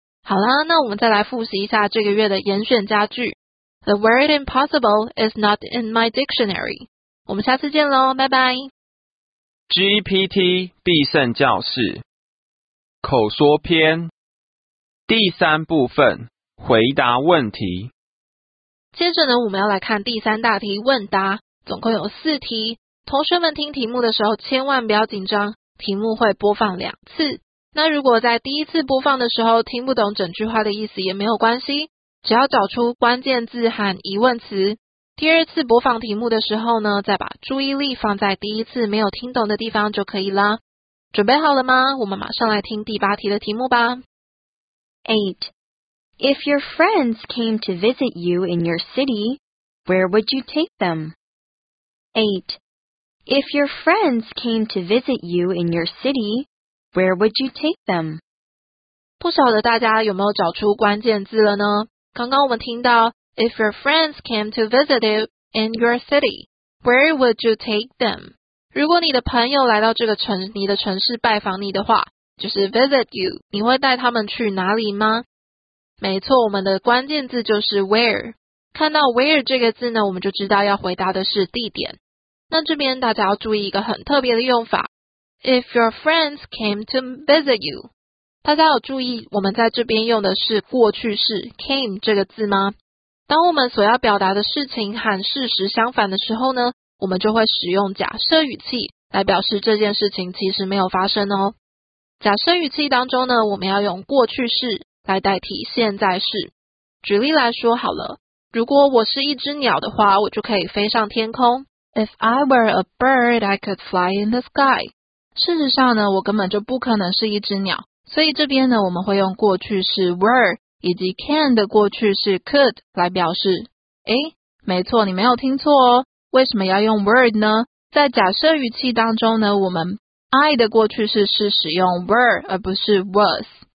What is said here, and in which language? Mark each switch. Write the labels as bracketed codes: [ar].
[zh] 好啦，那我们再来复习一下这个月的严选佳句。 [en] The word impossible is not in my dictionary. [zh] 我们下次见咯，拜拜。 GPT 必胜教室口说篇第三部分回答问题。接着呢，我们要来看第三大题问答，总共有四题。同学们听题目的时候千万不要紧张，题目会播放两次。那如果在第一次播放的时候听不懂整句话的意思也没有关系，只要找出关键字和疑问词。第二次播放题目的时候呢，再把注意力放在第一次没有听懂的地方就可以啦。准备好了吗？我们马上来听第八题的题目吧。 [en] 8. If your friends came to visit you in your city, where would you take them? 8. If your friends came to visit you in your city, where would you take them? [zh] 不晓得大家有没有找出关键字了呢？刚刚我们听到 [en] If your friends came to visit you in your city, where would you take them? [zh] 如果你的朋友来到这个城，你的城市拜访你的话，就是 [en] visit you, [zh] 你会带他们去哪里吗？没错，我们的关键字就是 where。看到 where 这个字呢，我们就知道要回答的是地点。那这边大家要注意一个很特别的用法 ， [en] if your friends came to visit you。 [zh] 大家有注意我们在这边用的是过去式 came 这个字吗？当我们所要表达的事情和事实相反的时候呢，我们就会使用假设语气来表示这件事情其实没有发生哦。假设语气当中呢，我们要用过去式来代替现在式。举例来说好了，如果我是一只鸟的话，我就可以飞上天空。 [en] If I were a bird, I could fly in the sky. [zh] 事实上呢，我根本就不可能是一只鸟。所以这边呢，我们会用过去式 were 以及 can 的过去式 could 来表示。诶，没错，你没有听错哦。为什么要用 were 呢？在假设语气当中呢，我们 I 的过去式是使用 were 而不是 was。